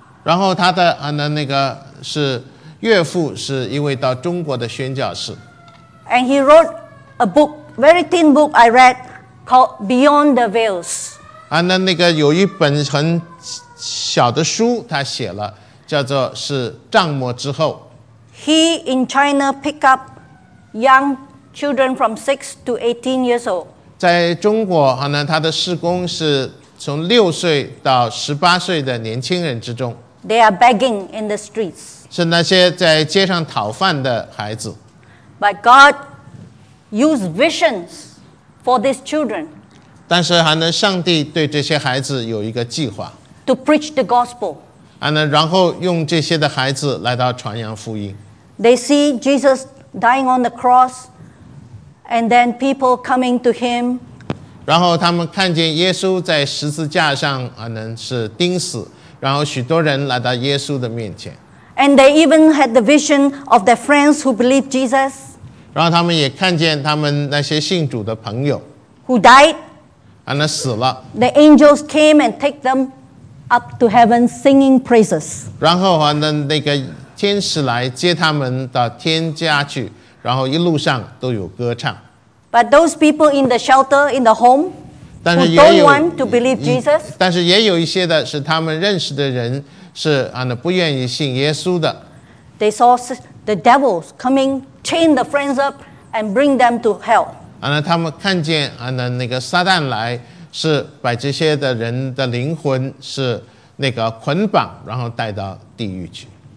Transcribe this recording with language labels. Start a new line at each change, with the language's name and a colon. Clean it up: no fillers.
Chinese: 然后他的那个是岳父是一位到中国的宣教士。
English: And he wrote a book, very thin book I read, called Beyond the Veils.
Chinese: 那个有一本很小的书他写了，叫做是帐幕之后。
English: He in China pick up young children from 6 to 18 years old.
Chinese: 在中国他的事工是从6岁到18岁的年轻人之中。
English: They are begging in the streets.
Chinese: 是那些在街上讨饭的孩子。
English: But God used visions for these children.
Chinese: 但是上帝对这些孩子有一个计划。
English: To preach the gospel.
Chinese: 然后用这些的孩子来到传扬福音。
English: They see Jesus dying on the cross. And then people coming to him.
Chinese: 然后他们看见耶稣在十字架上是钉死，然后许多人来到耶稣的面前。
English: And they even had the vision of their friends who believed Jesus.
Chinese: 然后他们也看见他们那些信主的朋友。
English: Who died?
Chinese: 死了。
English: The angels came and take them up to heaven singing praises.
Chinese: 然后那个天使来接他们到天家去。然后一路上都有歌唱。
English: But those people in the shelter, in the home, who don't want to believe Jesus,
Chinese: 但是也有一些的是他们认识的人是不愿意信耶稣的。
English: They saw the devils coming, chain the friends up, and bring them to hell.
Chinese: 他们看见那个撒旦来是把这些的人的灵魂是那个捆绑，然后带到地狱去。